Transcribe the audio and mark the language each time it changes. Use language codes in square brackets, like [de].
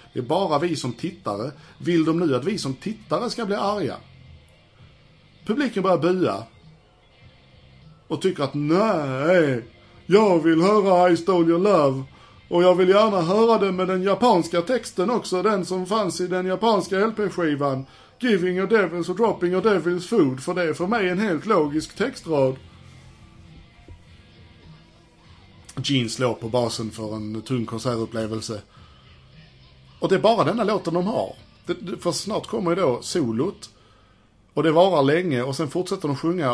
[sv] Det är bara vi som tittare. Vill de nu att vi som tittare ska bli arga? Publiken börjar bua. Och tycker att nej, jag vill höra I Stole Your Love. Och jag vill gärna höra den med den japanska texten också. Den som fanns i den japanska LP-skivan. [en] Giving your devils or dropping your devils food. [sv] För det är för mig en helt logisk textrad. Gene slår på basen för en tung konsertupplevelse. Och det är bara denna låten de har. För snart kommer ju då solot. Och det varar länge och sen fortsätter de sjunga.